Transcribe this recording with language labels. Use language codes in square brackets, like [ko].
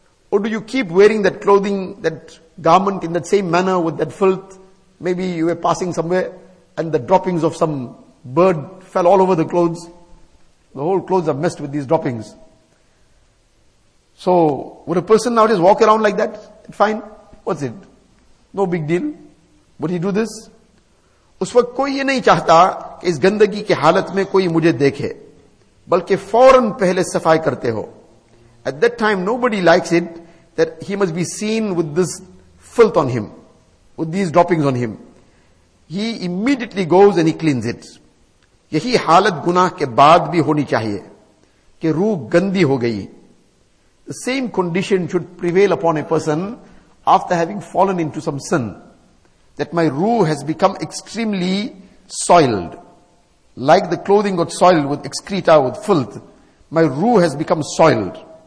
[en] Or do you keep wearing that clothing, that garment in that same manner with that filth? Maybe you were passing somewhere and the droppings of some bird fell all over the clothes. The whole clothes are messed with these droppings. So would a person now just walk around like that? Fine. What's it? No big deal. Would he do this? [ur] اس وقت کوئی یہ نہیں چاہتا کہ اس گندگی کے حالت میں کوئی مجھے دیکھے بلکہ فوراً پہلے صفائی کرتے ہو. [en] At that time nobody likes it that he must be seen with this filth on him, with these droppings on him. He immediately goes and he cleans it. [ur] یہی حالت گناہ کے بعد بھی ہونی چاہیے کہ روح گندی ہو گئی. [en] The same condition should prevail upon a person after having fallen into some sin, that my ruh has become extremely soiled. Like the clothing got soiled with excreta, with filth, my ruh has become soiled.